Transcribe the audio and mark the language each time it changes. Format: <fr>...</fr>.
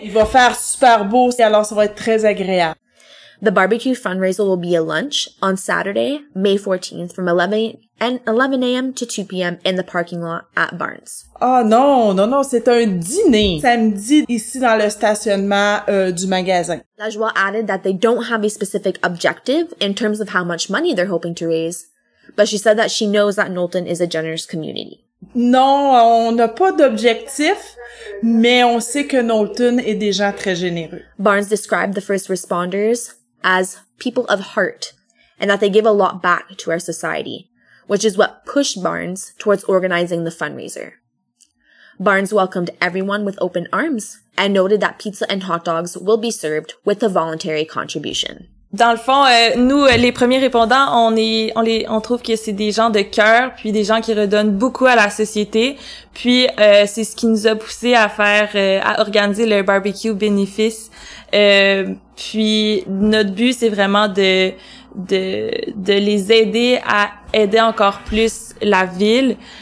<fr>Il va faire super beau, alors ça va être très agréable.</fr> <en>The barbecue fundraiser will be a lunch on Saturday, May 14th, from 11 a.m. to 2 p.m. in the parking lot at Barnes.</en> <fr>Ah non, c'est un dîner samedi ici dans le stationnement du magasin.</fr> <en>Lajoie added that they don't have a specific objective in terms of how much money they're hoping to raise, but she said that she knows that Knowlton is a generous community.</en> <fr>Non, on n'a pas d'objectif, mais on sait que Knowlton est des gens très généreux.</fr> <en>Barnes described the first responders as people of heart, and that they give a lot back to our society, which is what pushed Barnes towards organizing the fundraiser. Barnes welcomed everyone with open arms and noted that pizza and hot dogs will be served with a voluntary contribution.</en> <fr>Dans le fond, nous, les premiers répondants, on trouve que c'est des gens de cœur, puis des gens qui redonnent beaucoup à la société. Puis c'est ce qui nous a poussé à faire, à organiser le barbecue bénéfice. Puis notre but, c'est vraiment de les aider à aider encore plus la ville.</fr>